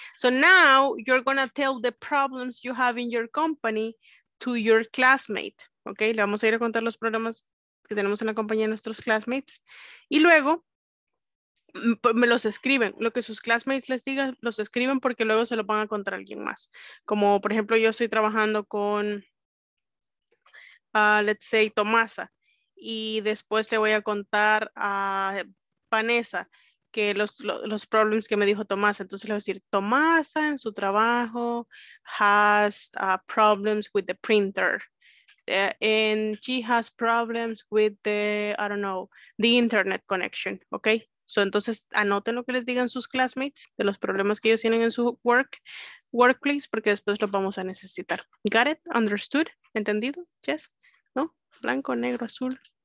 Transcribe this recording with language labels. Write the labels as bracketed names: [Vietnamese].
[English] So now you're going to tell the problems you have in your company to your classmate. [Spanish] Okay, le vamos a ir a contar los problemas que tenemos en la compañía de nuestros classmates. Y luego me los escriben. Lo que sus classmates les digan, los escriben porque luego se lo van a contar a alguien más. Como por ejemplo, yo estoy trabajando con, [English] let's say, [Spanish] Tomasa. Y después le voy a contar a Vanessa que los problems que me dijo Tomasa. Entonces le voy a decir, Tomasa en su trabajo [English] has problems with the printer. And she has problems with the, I don't know, the internet connection, okay? [Spanish] So, entonces, anoten lo que les digan sus classmates de los problemas que ellos tienen en su workplace, porque después los vamos a necesitar. [English] Got it? Understood? [Spanish] ¿Entendido? Yes? ¿No? Blanco, negro, azul.